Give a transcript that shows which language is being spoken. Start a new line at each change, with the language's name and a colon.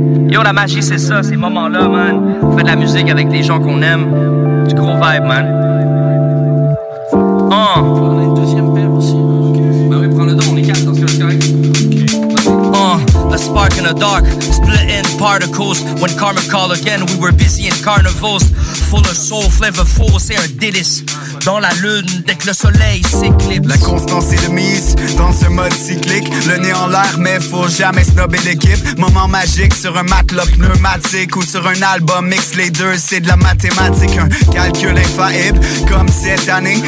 French: Yo, la magie, c'est ça, ces moments-là, man. On fait de la musique avec les gens qu'on aime. Du gros vibe, man. On a une deuxième paire aussi. Bah oui, prends le don, on est quatre dans ce cas-là, c'est correct.
English: A spark in the dark, split in particles. When karma call again, we were busy in carnivals. Full of soul, flavor, full,
French: c'est un délice. Dans la lune, dès que le soleil s'éclipse. La constance est de mise dans ce mode cyclique. Le nez en l'air, mais faut jamais snobber l'équipe. Moment magique sur un matelas pneumatique ou sur un album mix. Les deux, c'est de la mathématique. Un calcul infaillible, comme cette année.